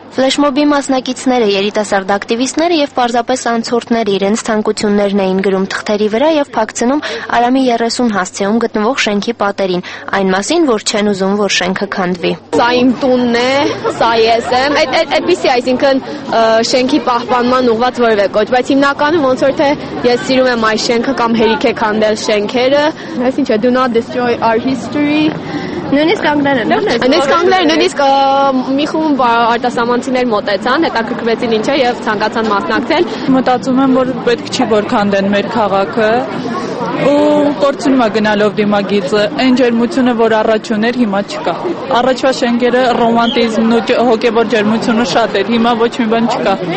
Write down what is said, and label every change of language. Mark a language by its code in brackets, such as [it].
[hy] Ֆլեշմոբի մասնակիցները երիտասարդ ակտիվիստները եւ պարզապես անցորդները իրենց ցանկություններն էին գրում թղթերի վրա եւ փակցնում Արամի 30 հասցեում գտնվող շենքի պատերին, այն մասին, որ չեն ուզում, որ շենքը քանդվի։ Սա իմ տունն է, սա ես եմ։ Այդպես է, այսինքն շենքի պահպանման ուղված որևէ կոչ, բայց հիմնականում ոնց որ թե ես սիրում եմ այս շենքը կամ հերիք է քանդել շենքերը, այսինքն [en] do not destroy our history։ [hy] Նույնիսկ մի խումբ արտասահմանցիներ մոտեցան, հետաքրքրվեցին ինչ է եւ ցանկացան մասնակցել։ Մտածում եմ, որ պետք չի որքան դեն մեր քաղաքը։ Ու կորցնում է գնալով դիմագիծը, այն ջերմությունը, որ առաջ ուներ, հիմա չկա։ Առաջվա շենգերը ռոմանտիզմն ու հոգևոր ջերմությունը շատ էր, հիմա ոչ մի բան չկա։